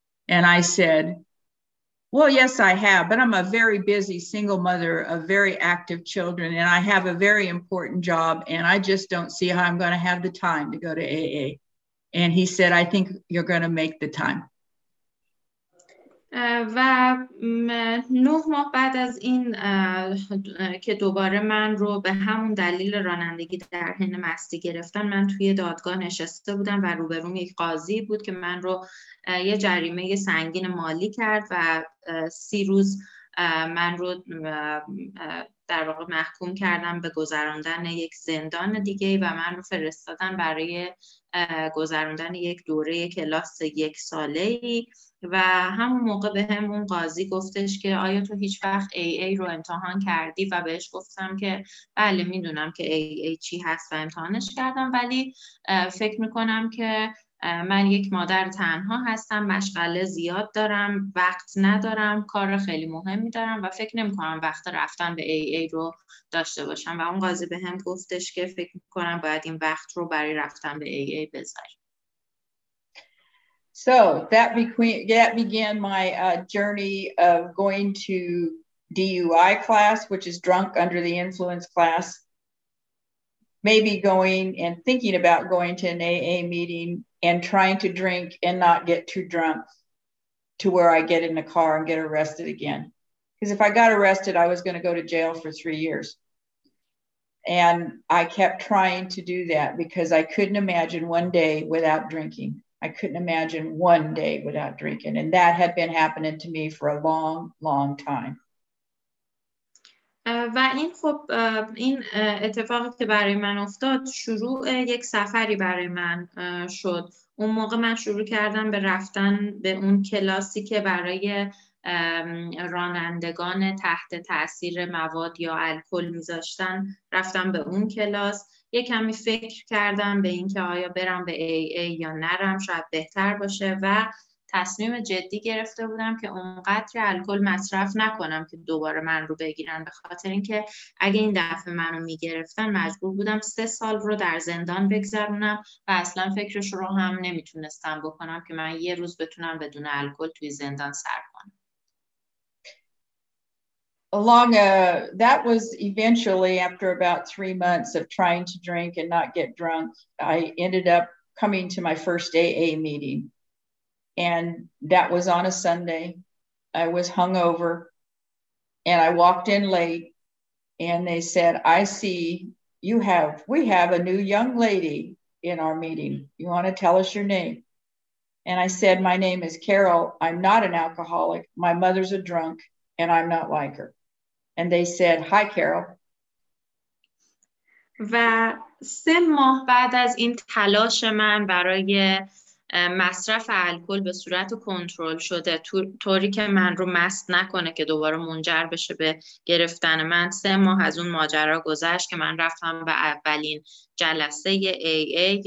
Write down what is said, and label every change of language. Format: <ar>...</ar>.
<en>And I said, well, yes, I have, but I'm a very busy single mother of very active children, and I have a very important job, and I just don't see how I'm going to have the time to go to AA. And he said, I think you're going to make the time.</en> <fa>و نه ماه بعد از این که دوباره من رو به همون دلیل رانندگی در حین مستی گرفتن من توی دادگاه نشسته بودم و روبروم یک قاضی بود که من رو یه جریمه سنگین مالی کرد و 30 روز من رو در واقع محکوم کردم به گذراندن یک زندان دیگه و من رو فرستادن برای گذراندن یک دوره کلاس 1 ساله‌ای و همون موقع به همون قاضی گفتش که آیا تو هیچ وقت AA رو امتحان کردی و بهش گفتم که بله میدونم که AA چی هست و امتحانش کردم ولی فکر میکنم که من یک مادر تنها هستم، مشغله زیاد دارم، وقت ندارم، کار خیلی مهمی دارم و فکر نمی‌کنم وقت رفتن به AA رو داشته باشم و اون قاضی به هم گفتش که فکر می‌کنم باید این وقت رو برای رفتن به AA بذاری.</fa> <en>So that began my journey of going to DUI class, which is drunk under the influence class. Maybe going and thinking about going to an AA meeting and trying to drink and not get too drunk to where I get in the car and get arrested again. Because if I got arrested, I was going to go to jail for 3 years. And I kept trying to do that because I couldn't imagine one day without drinking. I couldn't imagine one day without drinking. And that had been happening to me for a long, long time.</en> <fa>و این خب این اتفاقی که برای من افتاد شروع یک سفری برای من شد. اون موقع من شروع کردم به رفتن به اون کلاسی که برای رانندگان تحت تاثیر مواد یا الکل می‌ذاشتن، رفتم به اون کلاس، یک کمی فکر کردم به اینکه آیا برم به AA یا نرم، شاید بهتر باشه و تصمیم جدی گرفته بودم که اونقدر الکل مصرف نکنم که دوباره من رو بگیرن، به خاطر اینکه اگه این دفعه منو میگرفتن مجبور بودم 3 سال رو در زندان بگذرونم و اصلا فکرش رو هم نمیتونستم بکنم که من یه روز بتونم بدون الکل توی زندان سر کنم.</fa> <en>Along that was eventually after about 3 months of trying to drink and not get drunk, I ended up coming to my first AA meeting. And that was on a Sunday. I was hungover and I walked in late and they said, I see you have, we have a new young lady in our meeting. You want to tell us your name? And I said, my name is Carol. I'm not an alcoholic. My mother's a drunk and I'm not like her. And they said, hi, Carol.</en> <fa>و 3 ماه بعد از این تلاش من برای مصرف الکل به صورت کنترل شده طوری که من رو مست نکنه که دوباره منجر بشه به گرفتن من، 3 ماه از اون ماجرا گذشت که من رفتم به اولین جلسه AA.</fa>